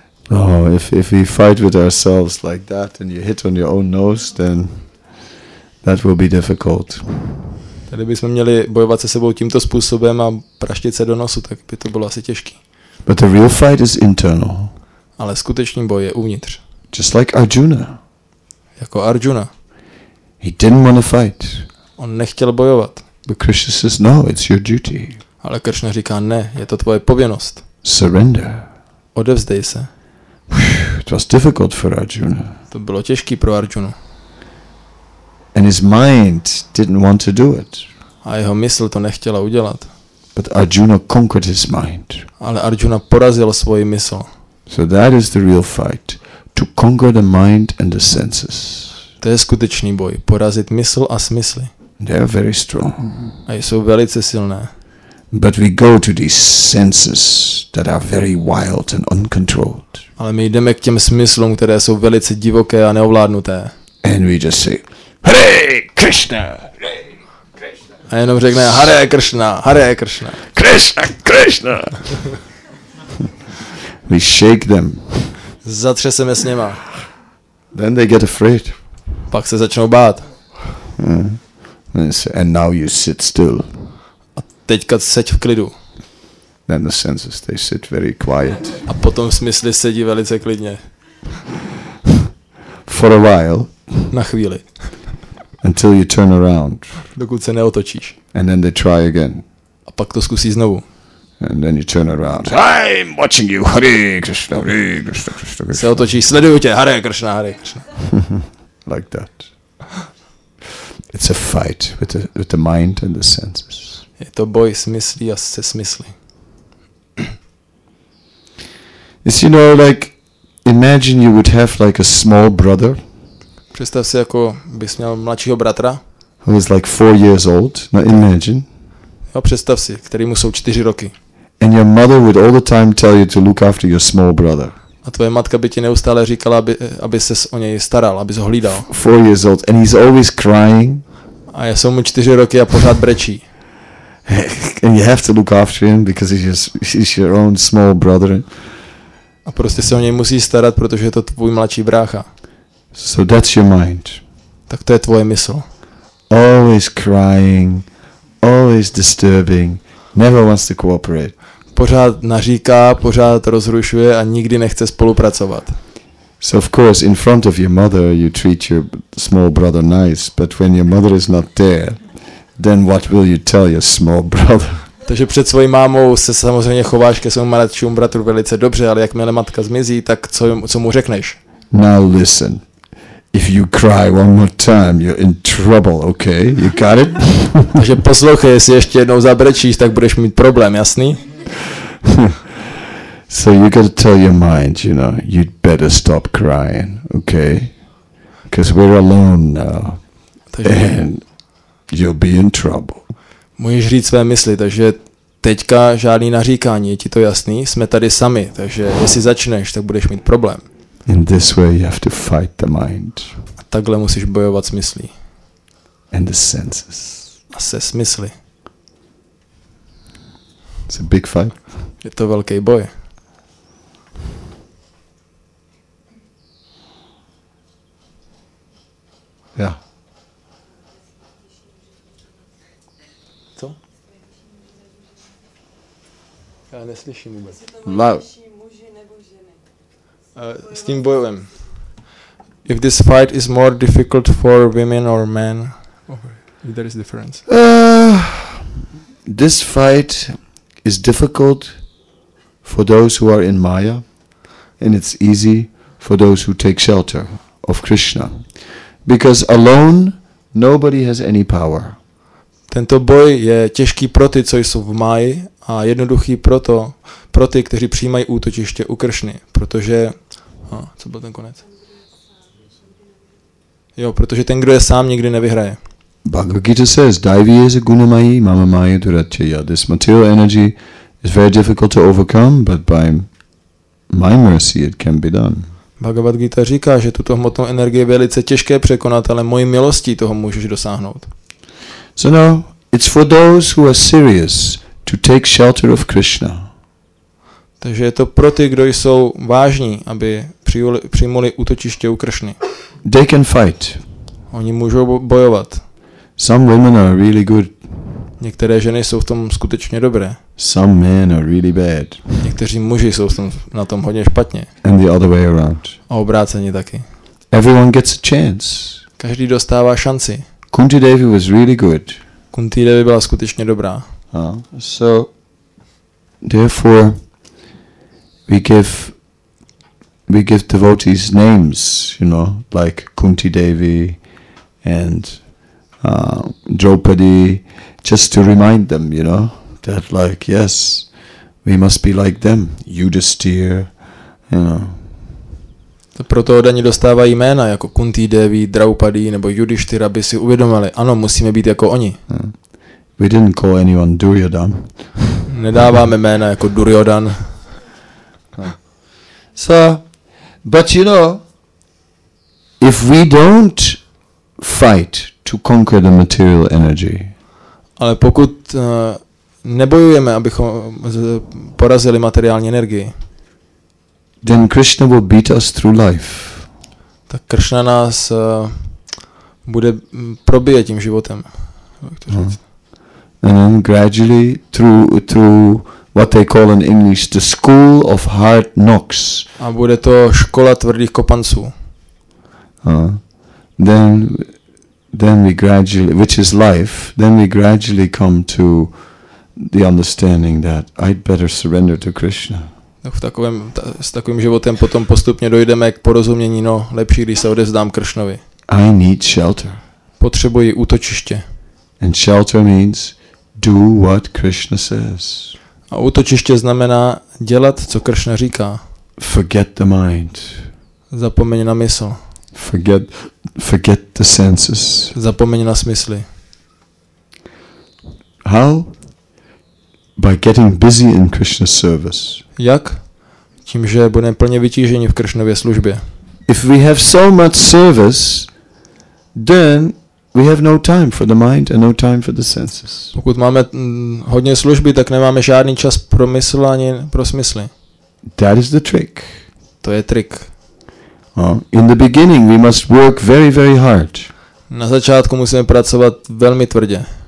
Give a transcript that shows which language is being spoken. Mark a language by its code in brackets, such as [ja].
[en] Oh, if we fight with ourselves like that and you hit on your own nose, then that will be difficult. [cs] Tady bychom měli bojovat se sebou tímto způsobem a praštit se do nosu, tak by to bylo asi těžké. [en] But the real fight is internal. [cs] Ale skutečný boj je uvnitř. [en] Just like Arjuna. [cs] Jako Arjuna. [en] He didn't want to fight. [cs] On nechtěl bojovat. [en] But Krishna says, no, it's your duty. [cs] Ale Krishna říká, ne, je to tvoje povinnost. [en] Surrender. [cs] Odevzdej se. [en] It was difficult for Arjuna. [cs] To bylo těžký pro Arjunu. [en] And his mind didn't want to do it. [cs] A jeho mysl to nechtěla udělat. [en] But Arjuna conquered his mind. [cs] Ale Arjuna porazil svoji mysl. [en] So that is the real fight. To conquer the mind and the senses. [cs] To je skutečný boj. Porazit mysl a smysly. [en] They are very strong. [cs] A jsou velice silné. [en] But we go to these senses that are very wild and uncontrolled. [cs] Ale my jdeme k těm smyslům, které jsou velice divoké a neovládnuté. [en] And we just say, Hare Krishna! Hare [cs] Krishna! A jenom řekne, Hare Krishna! Hare Krishna! Krishna! Krishna! [en] We shake them. [cs] Zatřeseme s něma. [en] Then they get afraid. [cs] Pak se začnou bát. [en] Yeah. And now you sit still. [cs] A teďka seď v klidu. [en] Then the senses, they sit very quiet. [cs] A potom v smysli sedí velice klidně. [en] For a while. [cs] Na chvíli. [en] Until you turn around. [cs] Dokud se neotočíš. [en] And then they try again. A pak to zkusí znovu. And then you turn around. I'm watching you, Hare Krishna, Hare Krishna, Krishna Krishna. [cs] Se otočí, sleduju tě, Hare Krishna, Hare Krishna. [en] Like that. It's a fight with the mind and the senses. [cs] Je to boj smyslí a se smysly. [en] It's, you know, like, imagine you would have like a small brother. [cs] Představ si, jako bys měl mladšího bratra. [en] Who is like 4 years old. Now imagine. [cs] A představ si, kterýmu jsou 4 roky. [en] And your mother would all the time tell you to look after your small brother. [cs] A tvoje matka by ti neustále říkala, aby ses o něj staral, aby ho hlídal. [en] 4 years old and he's always crying. [cs] A já jsem mu 4 roky a pořád brečí. [en] And you have to look after him because he's your own small brother. [cs] A prostě se o něj musí starat, protože je to tvůj mladší brácha. [en] So that's your mind. [cs] Tak to je tvoje mysl. [en] Always crying. Always disturbing, never wants to cooperate. [cs] Pořád naříká, pořád rozrušuje a nikdy nechce spolupracovat. [en] So of course, in front of your mother, you treat your small brother nice, but when your mother is not there, then what will you tell your small brother? [cs] Takže před svojí mámou se samozřejmě chováš ke svému mladšímu bratru velice dobře, ale jakmile matka zmizí, tak co mu řekneš? [en] Now listen. If you cry one more time, you're in trouble, okay? You got it? [cs] Takže poslouchej, jestli ještě jednou zabrečíš, tak budeš mít problém, jasný? [en] So you got to tell your mind, you know, you'd better stop crying, okay? Because we're alone now. And you'll be in trouble. [cs] Můžeš říct své mysli, takže teďka žádný naříkání, je ti to jasný? Jsme tady sami, takže jestli začneš, tak budeš mít problém. [en] In this way you have to fight the mind. [cs] A takhle musíš bojovat s myslí. [en] And the senses. [cs] A se smysly. [en] It's a big fight. [cs] Je to velký boj. [en] Yeah. [cs] Co? Já neslyším vůbec. [en] Love. [cs] S tím bojem. [en] If this fight is more difficult for women or men, if there is difference. This fight is difficult for those who are in Maya, and it's easy for those who take shelter of Krishna. Because alone, nobody has any power. [cs] Tento boj je těžký pro ty, co jsou v Maji, a jednoduchý proto, pro ty, kteří přijímají útočiště u Kršny, protože... A, co byl ten konec? Jo, protože ten, kdo je sám, nikdy nevyhraje. [en] Bhagavad Gita says, [sa] Daivi is a gunamayi, mama maya duratyaya. [en] This material energy is very difficult to overcome, but by my mercy it can be done. [cs] Bhagavad Gita říká, že tuto hmotnou energii je velice těžké překonat, ale mojí milostí toho můžeš dosáhnout. [en] So now, it's for those who are serious to take shelter of Krishna. [cs] Takže je to pro ty, kdo jsou vážní, aby přijmuli útočiště u Kršny. [en] They can fight. [cs] Oni můžou bojovat. [en] Some women are really good. [cs] Některé ženy jsou v tom skutečně dobré. [en] Some men are really bad. [cs] Někteří muži jsou na tom hodně špatně. [en] And the other way around. [cs] A obráceně taky. [en] Everyone gets a chance. [cs] Každý dostává šanci. [en] Kunti Devi was really good. [cs] Kunti Devi byla skutečně dobrá. [en] So therefore we give devotees names, you know, like Kunti Devi and Draupadi, just to remind them, you know, that like, yes, we must be like them, Yudhisthir, you know. [cs] To proto oni dostávají jména jako Kunti Devi, Draupadi nebo Yudhisthir, aby si uvědomili, ano, musíme být jako oni. [en] We didn't call anyone Duryodhan. [cs] Nedáváme jména jako Duryodhan. [en] So, but you know, if we don't fight to conquer the material energy. [cs] Ale pokud nebojujeme, abychom porazili materiální energii. [en] Then Krishna will beat us through life. [cs] Tak Krishna nás bude probíjet tím životem. [en] And then gradually through what they call in English the school of hard knocks. [cs] A bude to škola tvrdých kopanců. [en] Then we gradually, which is life, then we gradually come to the understanding that I'd better surrender to Krishna. [cs] Tak s takovým životem potom postupně dojdeme k porozumění, no lepší, když se odevzdám Kršnovi. [en] I need shelter. [cs] Potřebuji útočiště. [en] And shelter means do what Krishna says. [cs] A útočiště znamená dělat, co Kršna říká. [en] Forget the mind. [cs] Zapomeň na mysl. [en] Forget the senses. [cs] Zapomeň na smysly. [en] How? By getting busy in Krishna's service. [cs] Jak? Tím, že budeme plně vytížení v Kršnově službě. [en] If we have so much service, then we have no time for the mind and no time for the senses. [cs] Pokud máme hodně služby, tak nemáme žádný čas pro mysl ani pro smysly. [en] That is the trick. [cs] To je trik. [en] In the beginning we must work very very hard. [cs] Na začátku musíme pracovat velmi tvrdě.